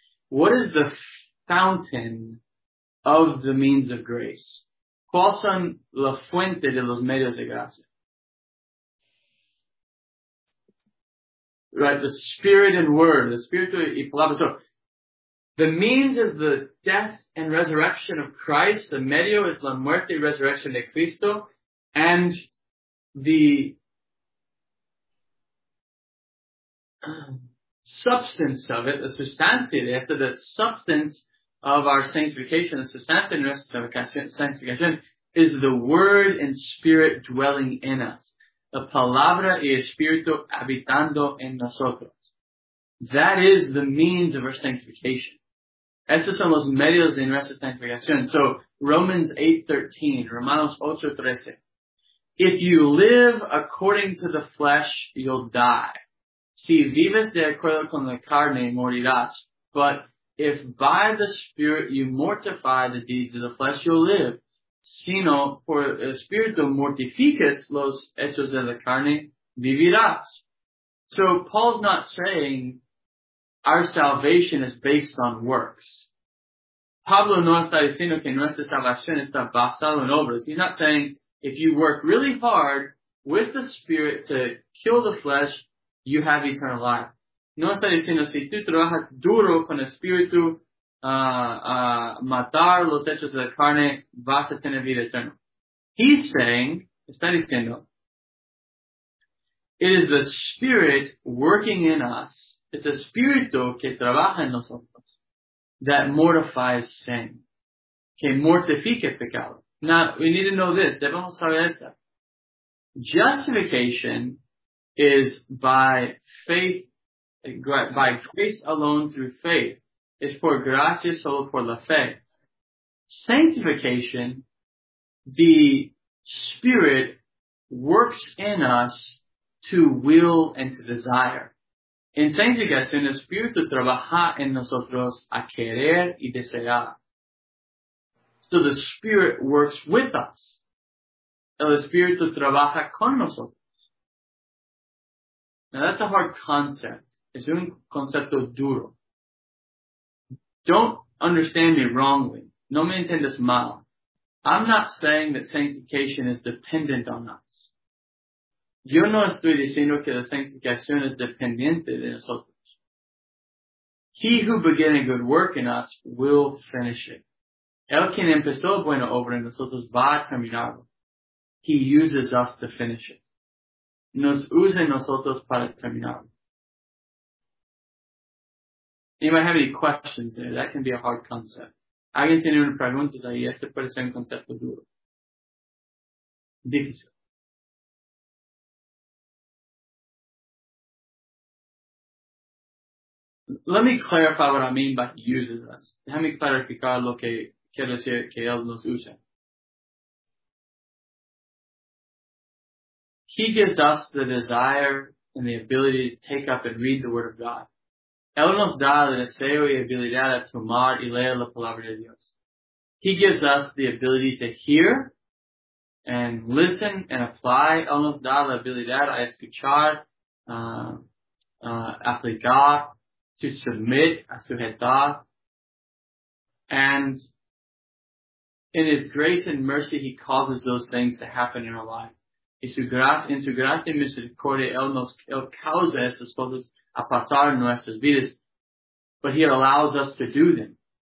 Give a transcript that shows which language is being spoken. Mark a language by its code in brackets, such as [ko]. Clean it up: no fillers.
[en] What is the fountain of the means of grace? [es] ¿Cuál son la fuente de los medios de gracia? [en] Right, the spirit and word, the spirit [es] y palabra. [en] So, the means of the death and resurrection of Christ, the [es] medio es la muerte y resurrección de Cristo, [en] and the substance of it, the [es] sustancia de eso, [en] the substance of our sanctification, the [es] sustancia de nuestra sanctificación, [en] is the word and spirit dwelling in us. [es] La palabra y espíritu habitando en nosotros. [en] That is the means of our sanctification. [es] Esos son los medios de nuestra sanctificación. [en] So, Romanos 8:13. If you live according to the flesh, you'll die. [es] Si vives de acuerdo con la carne, morirás. [en] But if by the spirit you mortify the deeds of the flesh, you'll live. [es] Sino por el espíritu mortificas los hechos de la carne, vivirás. [en] So Paul's not saying our salvation is based on works. [es] Pablo no está diciendo que nuestra salvación está basada en obras. [en] He's not saying if you work really hard with the spirit to kill the flesh, you have eternal life. [es] No está diciendo si tú trabajas duro con el espíritu, matar los hechos de la carne, vas a tener vida eterna. [en] He's saying, [es] está diciendo, [en] it is the spirit working in us, it's the [es] espíritu que trabaja en nosotros, [en] that mortifies sin, [es] que mortifica pecado. [en] Now, we need to know this, [es] debemos saber esto. [en] Justification is by faith, by grace alone through faith. [es] Es por gracia, solo por la fe. [en] Sanctification, the Spirit works in us to will and to desire. [es] En sanctificación, el Espíritu trabaja en nosotros a querer y desear. [en] So the Spirit works with us. [es] El Espíritu trabaja con nosotros. [en] Now that's a hard concept. [es] Es un concepto duro. [en] Don't understand me wrongly. [es] No me entiendes mal. [en] I'm not saying that sanctification is dependent on us. [es] Yo no estoy diciendo que la sanctificación es dependiente de nosotros. [en] He who began a good work in us will finish it. [es] El quien empezó buena obra en nosotros va a terminarlo. [en] He uses us to finish it. [es] Nos usa nosotros para terminarlo. [en] You might have any questions there. That can be a hard concept. [es] Alguien tiene unas preguntas ahí. Este puede ser un concepto duro. Difícil. [en] Let me clarify what I mean by uses us. [es] Déjame clarificar lo que quiero decir que él nos usa. [en] He gives us the desire and the ability to take up and read the Word of God. [es] Él nos da el deseo y habilidad de tomar y leer la palabra de Dios. [en] He gives us the ability to hear and listen and apply. [es] Él nos da la habilidad a escuchar, aplicar, [en] to submit, [es] a sujetar. [en] And in His grace and mercy, He causes those things to happen in our life. [es] En su gracia y misericordia, Él causa esas cosas a pasar en nuestras vidas, [en] but He allows us to do them.